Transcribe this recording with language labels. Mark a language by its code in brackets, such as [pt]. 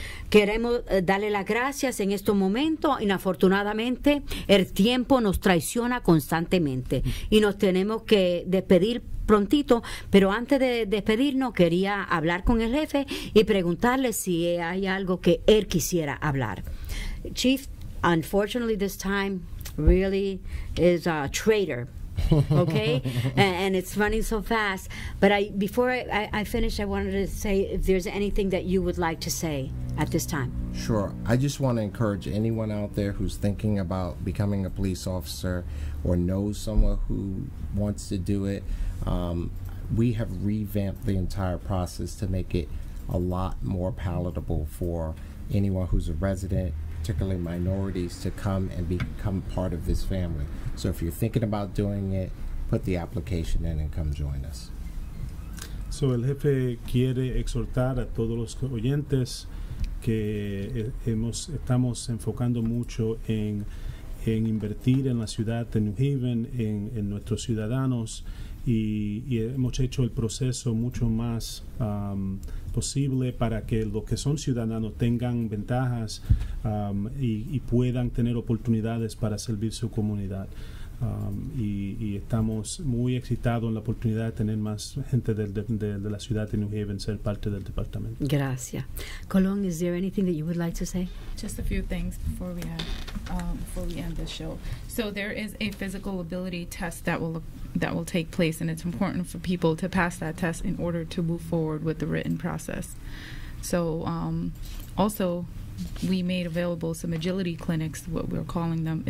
[es] Queremos darle las gracias en estos momentos. Inafortunadamente, el tiempo nos traiciona constantemente y nos tenemos que despedir prontito, pero antes de despedirnos quería hablar con el jefe y preguntarle si hay algo que él quisiera hablar. [en] Chief, unfortunately this time really is a traitor, okay? and it's running so fast, but before I finish, I wanted to say if there's anything that you would like to say at this time. Sure. I just want to encourage anyone out there who's thinking about becoming a police officer or knows someone who wants to do it. We have revamped the entire process to make it a lot more palatable for anyone who's a resident, particularly minorities, to come and become part of this family. So if you're thinking about doing it, put the application in and come join us. [es] So el jefe quiere exhortar a todos los oyentes que estamos enfocando mucho en invertir en la ciudad de New Haven, en nuestros ciudadanos. Y hemos hecho el proceso mucho más posible para que los que son ciudadanos tengan ventajas y puedan tener oportunidades para servir su comunidad. Y estamos muy excitados en la oportunidad de tener más gente de la ciudad de New Haven ser parte del departamento. Gracias. [en] Colón, is there anything that you would like to say? Just a few things before we end the show. So there is a physical ability test that will take place, and it's important for people to pass that test in order to move forward with the written process. So also, we made available some agility clinics, what we're calling them.